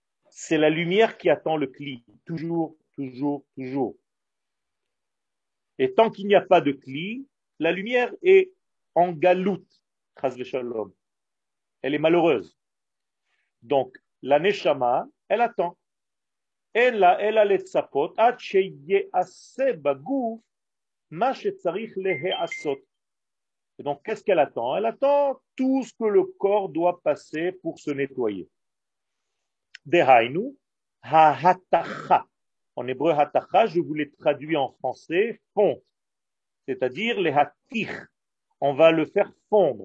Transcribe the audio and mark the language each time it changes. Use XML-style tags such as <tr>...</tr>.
<fr>C'est la lumière qui attend le kli. Toujours, toujours, toujours. Et tant qu'il n'y a pas de kli, la lumière est en galoute.</fr> <he>Chas v'shalom.</he> <fr>Elle est malheureuse. Donc, la Neshama, elle attend.</fr> <he>אלא לצפות עד שיעשה בגוף מה שצריך להיעשות.</he> <fr>Donc, qu'est-ce qu'elle attend? Elle attend tout ce que le corps doit passer pour se nettoyer.</fr> <he>Dehainu, ha-hatacha.</he> <fr>En hébreu, hatacha, je vous l'ai traduit en français, fonte. C'est-à-dire, le hatich. On va le faire fondre.</fr>